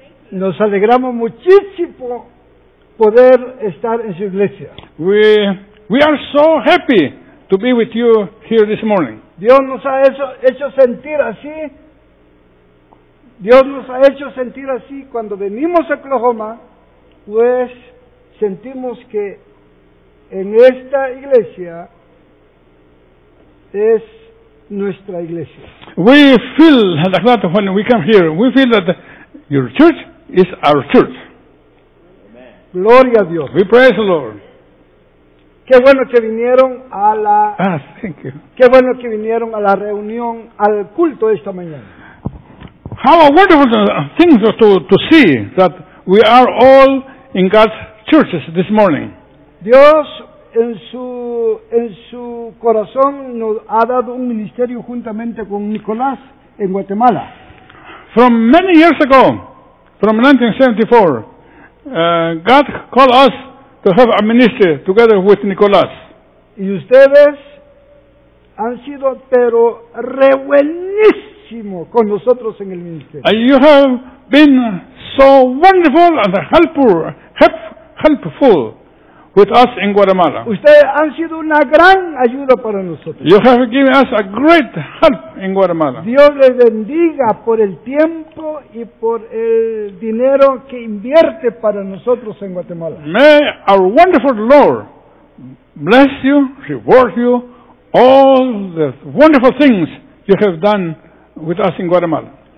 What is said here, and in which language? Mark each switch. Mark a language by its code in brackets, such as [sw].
[es] Nos alegramos muchísimo poder estar en su iglesia. [en] We are so happy to be with you here this morning. [es] Dios nos ha hecho sentir así. Dios nos ha hecho sentir así cuando venimos a Oklahoma, pues sentimos que en esta iglesia es nuestra iglesia. [en] We feel like that when we come here. We feel that your church is our church. [es] Amen. Gloria a Dios. [en] We praise the Lord. [es] Qué bueno que vinieron a la. [en] Thank you. [es] Qué bueno que vinieron a la reunión, al culto esta mañana. [en] How a wonderful thing to see that we are all in God's churches this morning. [es] Dios en su corazón nos ha dado un ministerio juntamente con Nicolás en Guatemala. [en] From many years ago, from 1974, God called us to have a ministry together with Nicolás. [es] Y ustedes han sido pero re buenísimos con nosotros en el ministerio. [en] And you have been so wonderful and helpful with us in Guatemala. [es] Ustedes han sido una gran ayuda para nosotros. [en] You have given us a great help in Guatemala. [es] Dios les bendiga por el tiempo y por el dinero que invierte para nosotros en Guatemala. [en] May our wonderful Lord bless you, reward you all the wonderful things you have done with us in Guatemala.